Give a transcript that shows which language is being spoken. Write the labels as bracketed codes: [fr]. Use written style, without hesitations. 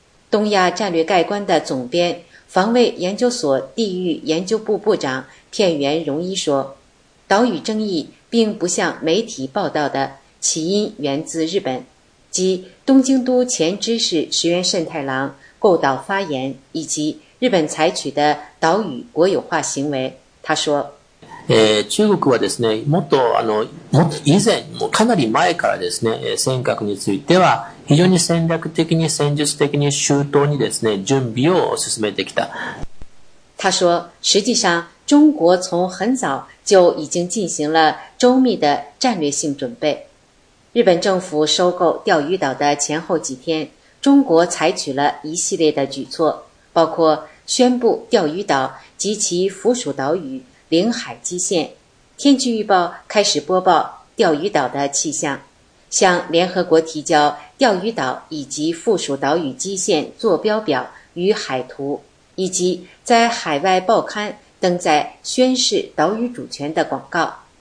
[zh] 东亚战略概观的总编、防卫研究所地域研究部部长片原荣一说，岛屿争议并不像媒体报道的，起因源自日本，即东京都前知事石原慎太郎构岛发言以及日本采取的岛屿国有化行为。他说， [ja] 中国はですね、もっとあの、もっと以前、もうかなり前からですね、尖閣については非常に戦略的に戦術的に周到にですね、準備を進めてきた。 [zh] 他说，实际上中国从很早就已经进行了周密的战略性准备。日本政府收购钓鱼岛的前后几天，中国采取了一系列的举措，包括宣布钓鱼岛及其附属岛屿领海基线，天气预报开始播报钓鱼岛的气象，向联合国提交钓鱼岛以及附属岛屿基线坐标表与海图，以及在海外报刊登载宣示岛屿主权的广告。